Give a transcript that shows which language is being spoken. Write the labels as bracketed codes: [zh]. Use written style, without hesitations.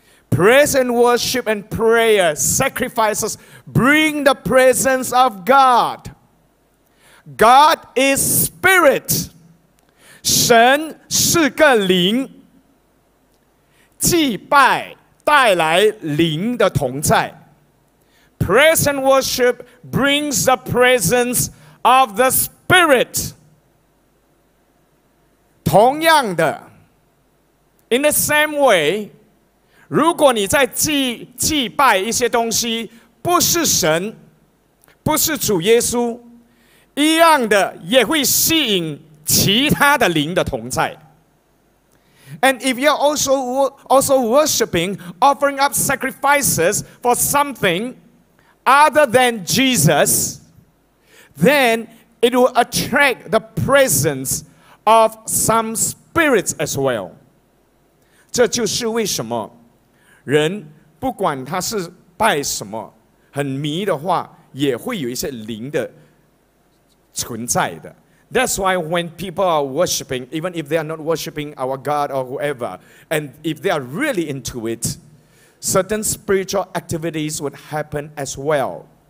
[en] Praise and worship and prayer, sacrifices, bring the presence of God. God is spirit. [zh] 神是个灵, 祭拜带来灵的同在。 [en] Praise and worship brings the presence of the spirit. [zh] 同样的, [en] in the same way, [zh] 如果你在祭拜一些东西，不是神，不是主耶稣，一样的也会吸引其他的灵的同在。 [en] And if you're also worshiping, offering up sacrifices for something other than Jesus, then it will attract the presence of some spirits as well. [zh] 这就是为什么 人不管他是拜什么，很迷的话，也会有一些灵的存在的。 [en] That's why when people are worshiping, even if they are not worshiping our God or whoever, and if they are really into it, certain spiritual activities would happen as well.